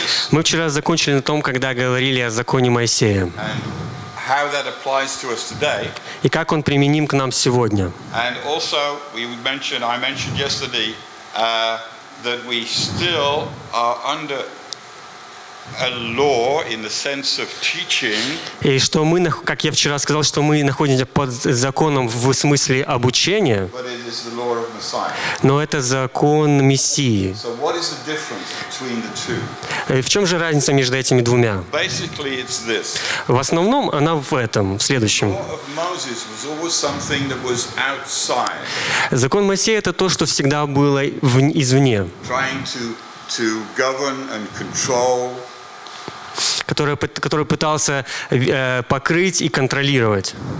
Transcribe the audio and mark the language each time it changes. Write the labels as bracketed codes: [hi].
[ru] Мы вчера закончили на том, когда говорили о законе Моисея. [en] How that applies to us today. [ru] И как он применим к нам сегодня. [en] And also, I mentioned yesterday that we still are under a law in the sense of teaching. [ru] И что мы, как я вчера сказал, что мы находимся под законом в смысле обучения. [en] But it is the law of Messiah. [ru] Но это закон Мессии. [en] So what is the difference between the two? [ru] В чем же разница между этими двумя? [en] Basically, it's this. [ru] В основном она в этом, в следующем. [en] The law of Moses was always something that was outside. [ru] Закон Моисея это то, что всегда было извне. [en] Trying to govern and control. [ru] Который пытался покрыть и контролировать.